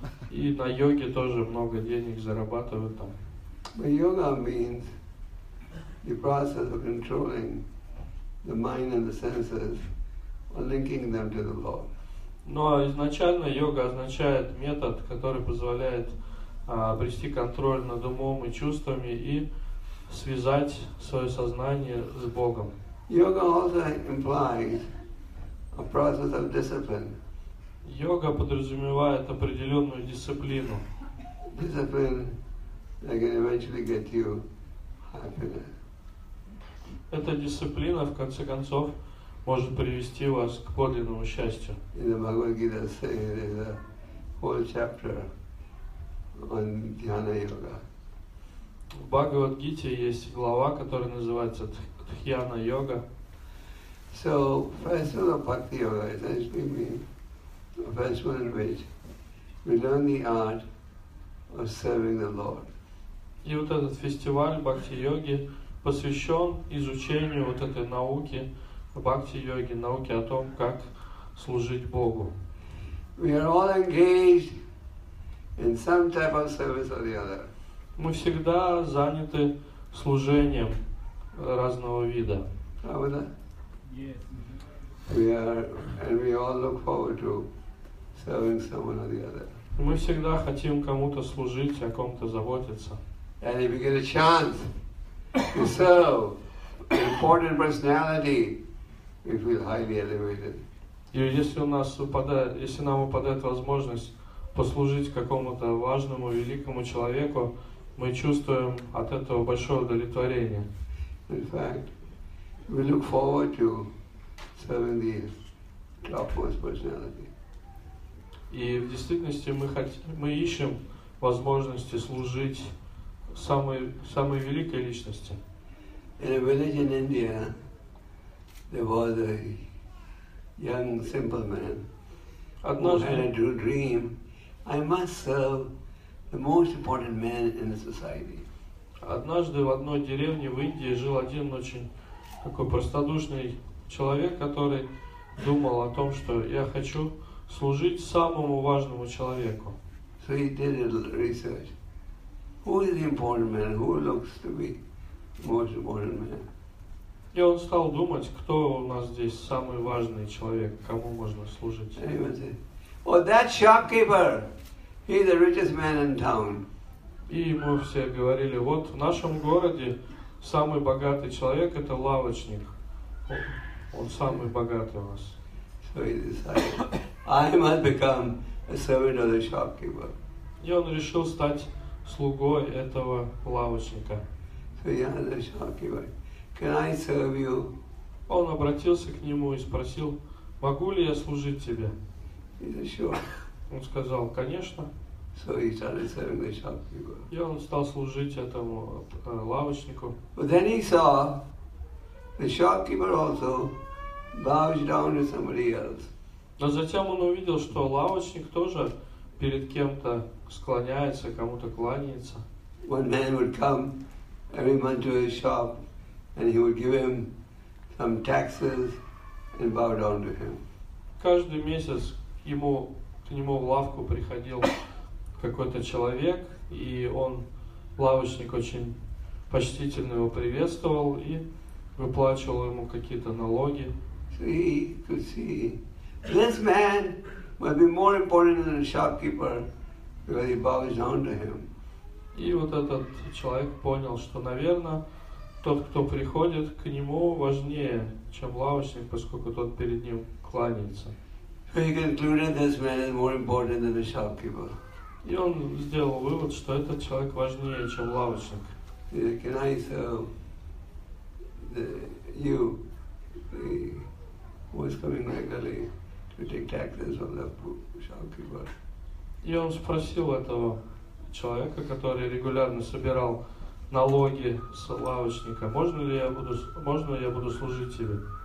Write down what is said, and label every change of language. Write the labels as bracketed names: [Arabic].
[Russian] И на йоге тоже много денег зарабатывают там. [English] But yoga means the process of controlling the mind and the senses, or linking them to the Lord. [Russian] Но изначально йога означает метод, который позволяет обрести контроль над умом и чувствами и связать свое сознание с Богом. [English] Yoga also implies a process of discipline. [Russian] Йога подразумевает определенную дисциплину. [English] Discipline that can eventually get you happiness. [Russian] Эта дисциплина, в конце концов, может привести вас к подлинному счастью. [English] In the Bhagavad Gita, there is a whole chapter on Dhyana Yoga. [Russian] В Бхагавад Гите есть глава, которая называется Дхьяна Йога. [English] So, festival of Bhakti Yoga is actually mean a festival in which we learn the art of serving the Lord. [Russian] И вот этот фестиваль Бхакти-йоги посвящен изучению вот этой науки Бхакти-йоги, науки о том, как служить Богу. [English] We are all engaged in some type of service or the other. [Russian] Мы всегда заняты служением разного вида. Правда? [English] Yes. We are, and we all look forward to serving someone or the other. [Russian] Мы всегда хотим кому-то служить, о ком-то заботиться. [English] And if you get a chance to serve an important personality, we feel highly elevated. [Russian] Если нам выпадает возможность послужить какому-то важному, великому человеку, мы чувствуем от этого большое удовлетворение. [English] In fact, we look forward to serving the topmost personality. [Russian] И в действительности мы ищем возможности служить самой великой личности. [English] In a village in India, there was a young simple man [Russian] Однажды, [English] who had a dream: I must serve the most important man in the society. [Russian] Однажды в одной деревне в Индии жил один очень такой простодушный человек, который думал о том, что я хочу служить самому важному человеку. [English] So he did a little research. Who is the important man? Who looks to be most important man? [Russian] И он стал думать, кто у нас здесь самый важный человек, кому можно служить. [English] And he would say, oh, that shopkeeper, he's the richest man in town. [Russian] И ему все говорили, вот в нашем городе самый богатый человек это лавочник. Он самый богатый у нас. [English] So he decided, I must become a servant of the shopkeeper. [Russian] И он решил стать слугой этого лавочника. [English] So, yeah, can I serve you? [Russian] Он обратился к нему и спросил, могу ли я служить тебе? Он сказал, конечно. [English] So, he started serving the shopkeeper. [Russian] И он стал служить этому лавочнику. [English] But then he saw the shopkeeper also bows down to somebody else. [Russian] Но затем он увидел, что лавочник тоже перед кем-то склоняется, кому-то кланяется. [English] One man would come every month to his shop, and he would give him some taxes and bow down to him. [Russian] Каждый месяц к нему в лавку приходил какой-то человек, и он лавочник очень почтительно его приветствовал и выплачивал ему какие-то налоги. [English] This man would be more important than a shopkeeper because he bowed his own to him. [Russian] И вот этот человек понял, что, наверное, тот, кто приходит к нему, важнее, чем лавочник, поскольку тот перед ним кланяется. [English] He concluded this man is more important than a shopkeeper. [Russian] И он сделал вывод, что этот человек важнее, чем лавочник. [English] Can I say you? Who is coming regularly to take taxes on the shopkeeper? [Russian] И он спросил этого человека, который регулярно собирал налоги с лавочника, можно ли я буду служить тебе?